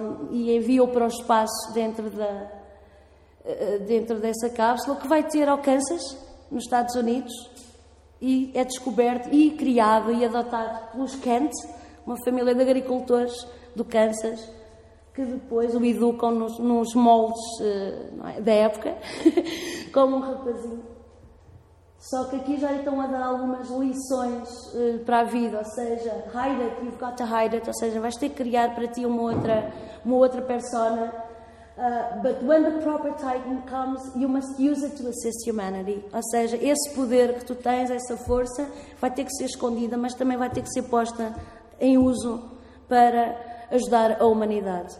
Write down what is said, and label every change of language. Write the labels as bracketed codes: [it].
[pt] e envia-o para o espaço dentro dessa cápsula, que vai ter alcances nos Estados Unidos e é descoberto e criado e adotado pelos Kent, uma família de agricultores do Kansas, que depois o educam nos moldes da época como um rapazinho. Só que aqui já estão a dar algumas lições para a vida, ou seja, [en] hide it, you've got to hide it, [pt] ou seja, vais ter que criar para ti uma outra persona. [en] But when the proper time comes, you must use it to assist humanity. [pt] Ou seja, esse poder que tu tens, essa força, vai ter que ser escondida, mas também vai ter que ser posta em uso para ajudar a humanidade.